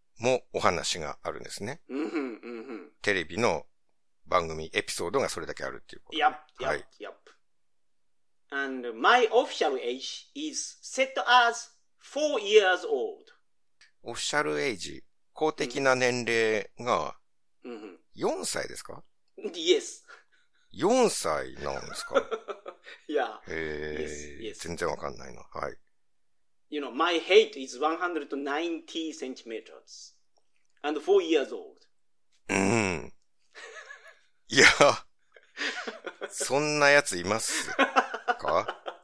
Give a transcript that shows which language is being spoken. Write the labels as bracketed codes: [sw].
[ja] もお話があるんですね。テレビの番組、エピソードがそれだけあるっていうことね。 [en] Yep, [ja] はい。 [en] yep, yep. And my official age is set as 4 years old. [ja] オフィシャルエイジ。公的な年齢が4歳ですか？ [en] Yes。 [ja] 4歳なんですか？いや、 [en] yes. [ja] 全然わかんないな。はい。 [en] You know, my height is 190 centimeters and 4 years old. [ja] うん。いや、そんなやついますか？